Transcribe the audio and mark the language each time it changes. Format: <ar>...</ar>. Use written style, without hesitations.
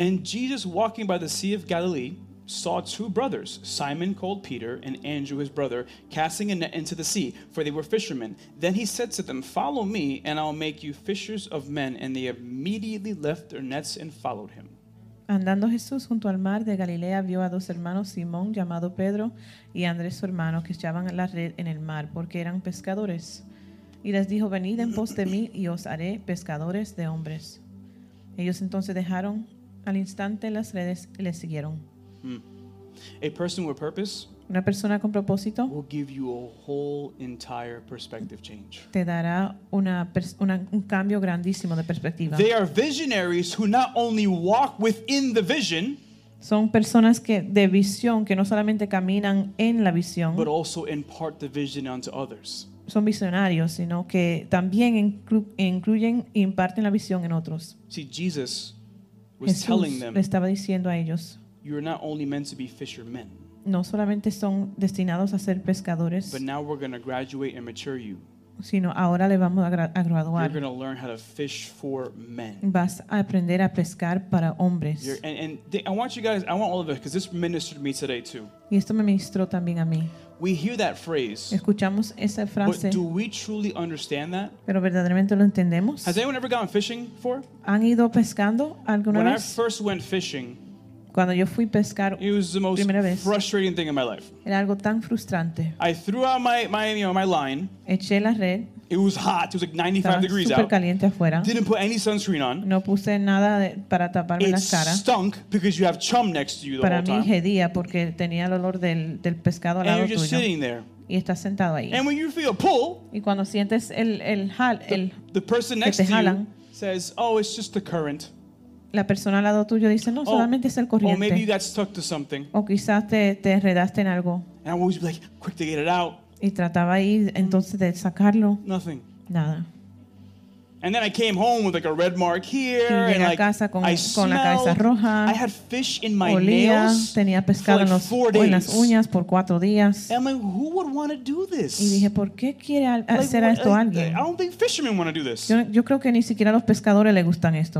<en>And Jesus walking by the Sea of Galilee saw two brothers, Simon called Peter, and Andrew his brother, casting a net into the sea, for they were fishermen. Then he said to them, follow me, and I'll make you fishers of men. And they immediately left their nets and followed him.</en> <es>Andando Jesús junto al mar de Galilea, vio a dos hermanos, Simón, llamado Pedro, y Andrés, su hermano, que echaban la red en el mar, porque eran pescadores. Y les dijo, venid en pos de mí, y os haré pescadores de hombres. Ellos entonces dejaron al instante las redes y les siguieron.</es> <en>A person with purpose,</en> <es>Una persona con propósito</es> <en>will give you a whole entire perspective change.</en> <es>Te dará un cambio grandísimo de perspectiva.</es> <en>They are visionaries who not only walk within the vision.</en> <es>Son personas que de visión que no solamente caminan en la visión,</es> <en>but also impart the vision onto others.</en> <es>Son visionarios, sino que también incluyen e imparten la visión en otros.</es> <en>See, Jesus was</en> <es>Jesús</es> <en>telling them,</en> <es>le estaba diciendo a ellos,</es> <en>you are not only meant to be fishermen.</en> <es>No solamente son destinados a ser pescadores,</es> <en>but now we're going to graduate and mature you.</en> <es>Sino ahora le vamos a graduar.</es> <en>You're going to learn how to fish for men.</en> <es>Vas a aprender a pescar para hombres.</es> <en>I want all of us, because this ministered me today too.</en> <es>Y esto me ministró también a mí.</es> <en>We hear that phrase.</en> <es>Escuchamos esa frase.</es> <en>But do we truly understand that?</en> <es>Pero verdaderamente lo entendemos.</es> <en>Has anyone ever gone fishing before?</en> <es>¿Han ido pescando alguna</es> <en>when</en> <es>vez?</es> <en>I first went fishing,</en> <es>cuando yo fui pescar,</es> <en>it was the most frustrating thing in my life.</en> <es>Era algo tan frustrante.</es> <en>I threw out my line.</en> <es>Eché la red.</es> <en>It was hot. It was like 95 degrees</en> <es>super caliente</es> <en>out.</en> <es>Afuera.</es> <en>Didn't put any sunscreen on.</en> <es>No puse nada para taparme</es> <en>it</en> <es>la cara.</es> <en>It stunk because you have chum next to you the</en> <es>para</es> <en>whole time.</en> <es>Para mí hedía porque tenía el olor del pescado al</es> <en>and</en> <es>lado</es> <en>you're just</en> <es>tuyo.</es> <en>Sitting there.</en> <es>Y estás sentado ahí.</es> <en>And when you feel a pull,</en> <es>y cuando sientes el jal, el</es> <en>the person next</en> <es>jalan,</es> <en>to you says, oh, it's just the current.</en> <es>La persona al lado tuyo dice, no, solamente es el corriente.</es> <en>Or maybe you got stuck to something.</en> <es>O quizás te enredaste en algo.</es> <en>And I would be like, quick to get it out.</en> <es>Y trataba ahí entonces de sacarlo.</es> <en>Nothing.</en> <es>Nada.</es> <en>And then I came home with like a red mark here.</en> <es>Y llegué</es> <en>and</en> <es>a casa con la cabeza roja.</es> <en>I had fish in my</en> <es>olía,</es> <en>nails.</en> <es>Tenía pescado</es> <en>like</en> <es>en las uñas por 4 días.</es> <en>And I'm like, who would want to do this?</en> <es>Y dije, ¿por qué quiere hacer</es> <en>like,</en> <es>esto alguien?</es> <en>I don't think fishermen want to do this.</en> <es>Yo creo que ni siquiera a los pescadores les gustan esto.</es>